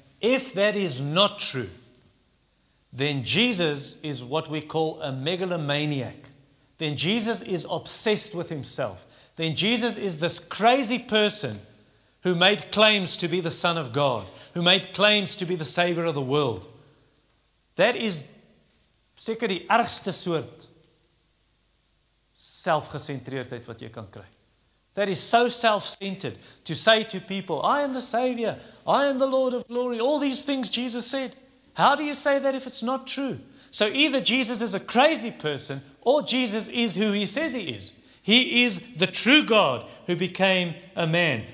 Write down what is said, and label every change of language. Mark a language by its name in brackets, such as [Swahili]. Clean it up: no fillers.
[English] If that is not true, then Jesus is what we call a megalomaniac. Then Jesus is obsessed with himself. Then Jesus is this crazy person who made claims to be the Son of God, who made claims to be the Savior of the world. [Afrikaans] That is seker die ergste soort selfgesentreerdheid wat jy kan kry. [English] That is so self-centered to say to people, I am the Savior, I am the Lord of glory, all these things Jesus said. How do you say that if it's not true? So either Jesus is a crazy person or Jesus is who he says he is. He is the true God who became a man.